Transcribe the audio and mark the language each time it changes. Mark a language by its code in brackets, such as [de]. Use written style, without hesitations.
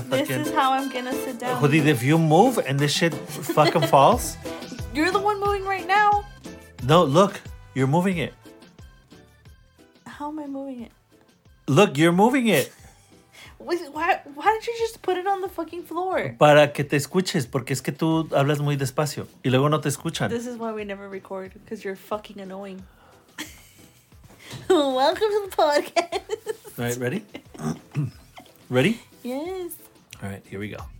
[en] fucking, this is how I'm gonna sit down. Hoodie, if you move and this shit fucking falls. You're the one moving right now. No, look, you're moving it. How am I moving it? Look, you're moving it. Why don't you just put it on the fucking floor? [es] Para que te escuches, porque es que tú hablas muy despacio y luego no te escuchan. [en] This is why we never record, because you're fucking annoying. Welcome to the podcast. All right, ready? Ready? Yes. All right, here we go.